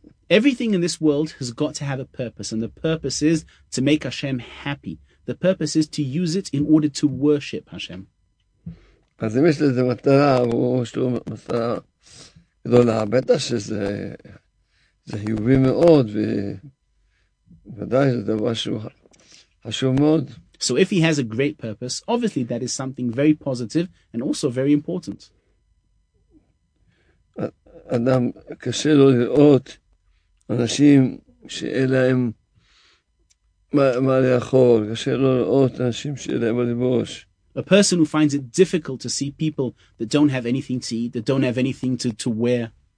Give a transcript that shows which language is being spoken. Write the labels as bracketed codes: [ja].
[en] Everything in this world has got to have a purpose, and the purpose is to make Hashem happy. The purpose is to use it in order to worship Hashem. [he] אז אם יש לזה מטרה, יש לו מטרה גדולה, בטח שזה חיובי מאוד, ובוודאי זה דבר שהוא חשוב מאוד. [en] So if he has a great purpose, obviously that is something very positive and also very important. [he] אדם קשה לו לראות אנשים שאין להם מה לאכול, קשה לו לראות אנשים שאין להם מה ללבוש. [en] A person who finds it difficult to see people that don't have anything to eat, that don't have anything to wear.